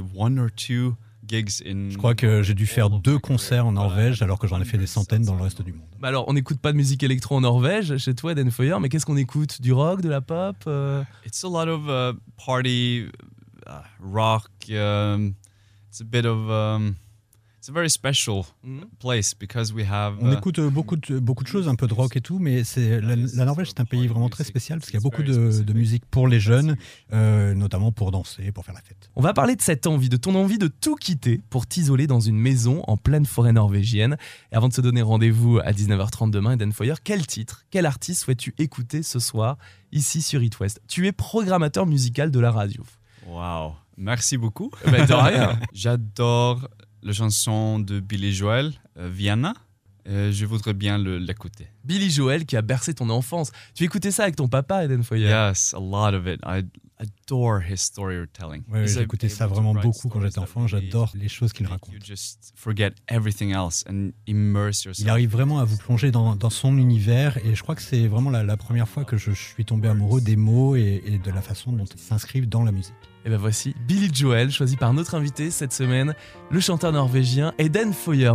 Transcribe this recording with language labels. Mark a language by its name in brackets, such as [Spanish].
[French] Je crois que j'ai dû faire deux concerts en Norvège alors que j'en ai fait des centaines dans le reste du monde. Bah alors, on n'écoute pas de musique électro en Norvège chez toi, Eden Foyer, mais qu'est-ce qu'on écoute? Du rock, de la pop? [English] It's a lot of party rock. It's a very special place because we have. [French] On écoute beaucoup de choses, un peu de rock et tout, mais la Norvège, c'est un pays vraiment très spécial parce qu'il y a beaucoup de musique pour les jeunes, notamment pour danser, pour faire la fête. On va parler de cette envie, de ton envie de tout quitter pour t'isoler dans une maison en pleine forêt norvégienne. Et avant de se donner rendez-vous à 19h30 demain, Eden Foyer, quel titre, quel artiste souhaites-tu écouter ce soir ici sur It West? Tu es programmateur musical de la radio. Wow, merci beaucoup. Mais de rien. J'adore la chanson de Billy Joel, Vienna, je voudrais bien l'écouter. Billy Joel qui a bercé ton enfance. Tu écoutais ça avec ton papa, Eden Foyer? [English] Yes, a lot of it. I adore his storytelling. [French] Oui, j'écoutais ça vraiment beaucoup quand j'étais enfant. J'adore les choses qu'il raconte. [English] You just forget everything else and immerse yourself. [French] Il arrive vraiment à vous plonger dans son univers, et je crois que c'est vraiment la première fois que je suis tombé amoureux des mots et de la façon dont ils s'inscrivent dans la musique. Et ben voici Billy Joel, choisi par notre invité cette semaine, le chanteur norvégien Eden Foyer.